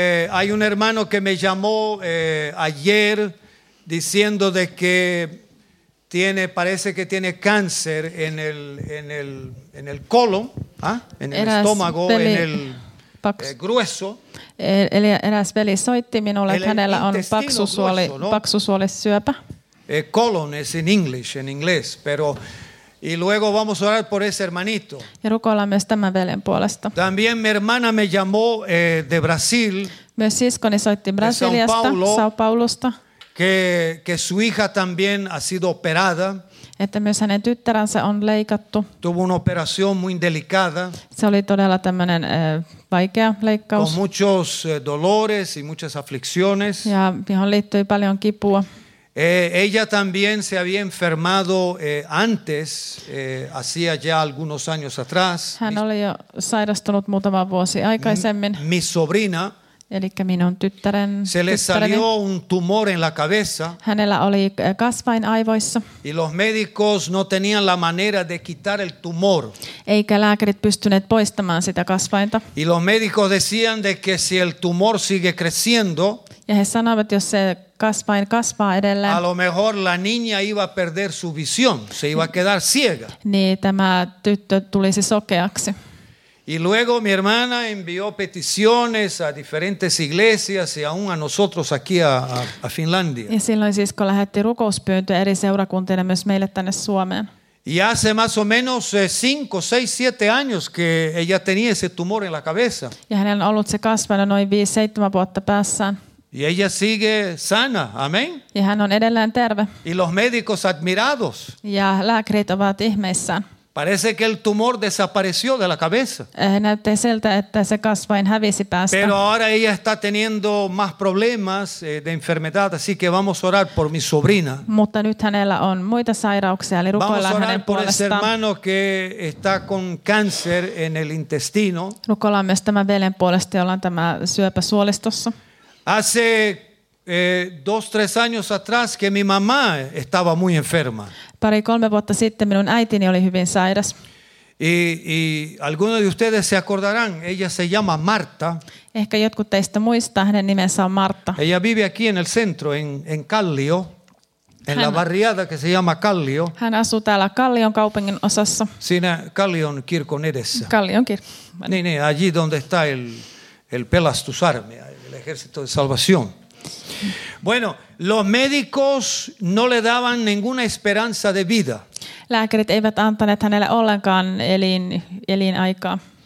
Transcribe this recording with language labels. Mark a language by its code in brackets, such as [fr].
[es] Hay un hermano que me llamó ayer diciendo de que parece que tiene cáncer en el colon, en el estómago, peli, en el grueso. [fi] Eli eräs veli soitti minulle, että hänellä on paksusuolisyöpä. [es] Colon es en inglés, pero y luego vamos a orar por ese hermanito. [fi] Ja rukoillaan myös tämän veljen puolesta. [es] También mi hermana me llamó de Brasil. [fi] Myös siskoni soitti Brasiliasta, São Paulosta. [es] Que su hija también ha sido operada. [fi] Että myös hänen tyttäränsä on leikattu. [es] Tuvo una operación muy delicada. [fi] Se oli todella tämmöinen vaikea leikkaus. [es] Con muchos dolores y muchas aflicciones. [fi] Ja johon liittyi paljon kipua. [es] Ella también se había enfermado antes, hacía ya algunos años atrás. [fi] Hän oli jo sairastunut muutama vuosi aikaisemmin. [es] Mi sobrina. [fi] Elikkä minun tyttären. [es] Se le salió un tumor en la cabeza. [fi] Hänellä oli kasvain aivoissa. [es] Y los médicos no tenían la manera de quitar el tumor. [fi] Eikä lääkärit pystyneet poistamaan sitä kasvainta. [es] Y los médicos decían de que si el tumor sigue creciendo. [fi] Ja he sanoivat, jos se kasvain kasvaa edelleen. [es] A lo mejor la niña iba a perder su visión, se iba a quedar ciega. [fi] Niin tämä tyttö tulisi sokeaksi. [es] Y luego mi hermana envió peticiones a diferentes iglesias y aún a nosotros aquí a Finlandia. [fi] Ja silloin sisko lähetti rukouspyyntöjä eri seurakuntiin ja myös meille tänne Suomeen. [es] Y hace más o menos 5, 6, 7 años que ella tenía ese tumor en la cabeza. [fi] Ja hänellä on ollut se kasvanut noin 5-7 vuotta päässään. [es] Y ella sigue sana, amén. [fi] Ja hän on edelleen terve. [es] Y los médicos admirados. [fi] Ja lääkärit ovat ihmeissään. [es] Parece que el tumor desapareció de la cabeza. [fi] Näyttää siltä, että se kasvain hävisi päästä. [es] Pero ahora ella está teniendo más problemas de enfermedad, así que vamos a orar por mi sobrina. [fi] Mutta nyt hänellä on muita sairauksia, eli rukoillaan hänen puolestaan. [es] Vamos a orar por ese hermano que está con cáncer en el intestino. [fi] Rukoillaan myös tämän veljen puolesta, jolla on tämä syöpä suolistossa. [es] Hace 2-3 años atrás que mi mamá estaba muy enferma. [fi] Pari 3 vuotta sitten minun äitini oli hyvin sairas. [es] Y algunos de ustedes se acordarán, ella se llama Marta. [fi] Ehkä jotkut teistä muistaa, hänen nimensä on Marta. [es] Ella vive aquí en el centro, en Callio, en la barriada que se llama Callio. [fi] Hän asuu täällä Kallion kaupungin osassa. Siinä Kallion kirkon edessä. Kallion kirkko. [es] Niin, allí donde está el pelastusarmia, el ejército de salvación. Bueno, los médicos no le daban ninguna esperanza de vida. [fi] Lääkärit eivät antaneet hänelle ollenkaan elinaikaa.